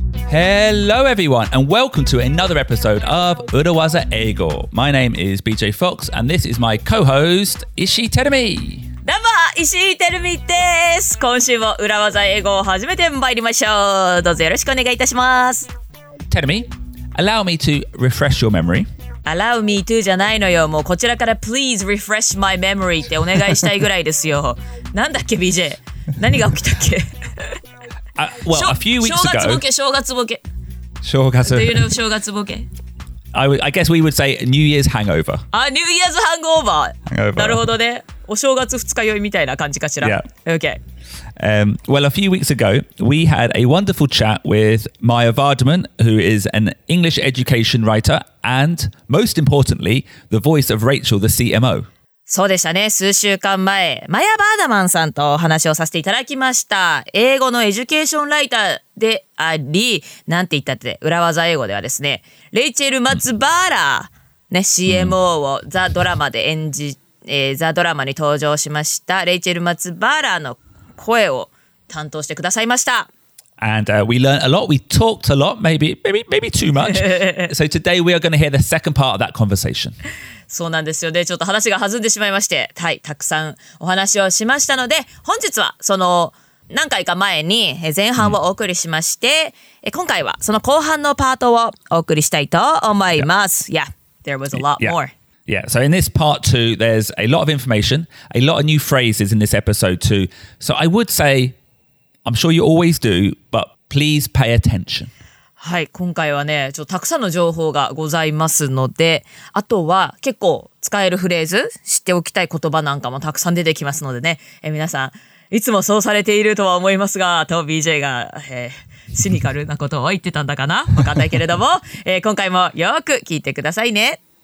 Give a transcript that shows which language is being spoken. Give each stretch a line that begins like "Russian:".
English: Hello, everyone, and welcome to another episode of Urawaza Eigo. My name is BJ Fox, and this is my co-host, Ishii Terumi.
Japanese: どうも、石井テルミです。今週も裏技英語を始めて参りましょう。どうぞよろしくお願いいたします。
English: テルミ、allow me to refresh your memory. Allow me to
Japanese: じゃないのよ。もうこちらから
English: please refresh my memory
Japanese: ってお願いしたいぐらいですよ。なんだっけ、BJ? 何が起きたっけ
English: well, a few weeks ago.
Japanese: 正月ボケ。
English: Do you know
Japanese: 正月ボケ?
English: I guess we would say New Year's hangover. Ah, New Year's hangover.
Japanese: なるほどね。お正月二日酔いみたいな感じかしら。
English: Yeah. Okay. Well, a few weeks ago, we had a wonderful chat with Maya Vardaman, who is an English education writer and, most importantly, the voice of Rachel, the CMO.
Japanese: そうでしたね。数週間前、マヤ・バーダマンさんとお話をさせていただきました。英語のエデュケーションライターであり、なんて言ったって、裏技英語ではですね、レイチェル・マツバーラー、ね、CMO をザ・ドラマで演じ、ザ・ドラマに登場しました、レイチェル・マツバーラーの声を担当してくださいました。
English: And we learned a lot. We talked a lot. Maybe too much. So today we are going to hear the second part of that conversation.
Japanese: そうなんですよね。ちょっと話が弾んでしまいまして、はい、たくさんお話をしましたので、本日はその何回か前に前半をお送りしまして、今回はその後半のパートをお送りしたいと思います。
English: Yeah, yeah. There was a lot yeah. more. Yeah. So in this part two, there's a lot of information, a lot of new phrases in this episode too. So I would say. I'm sure you always do, but please pay attention.
Japanese: はい、今回はね、ちょっとたくさんの情報がございますので、あとは結構使えるフレーズ、知っておきたい言葉なんかもたくさん出てきますのでね、皆さん、いつもそうされているとは思いますが、と BJ が、シニカルなことを言ってたんだかな、わかんないけれども、今回もよく聞いてくださいね。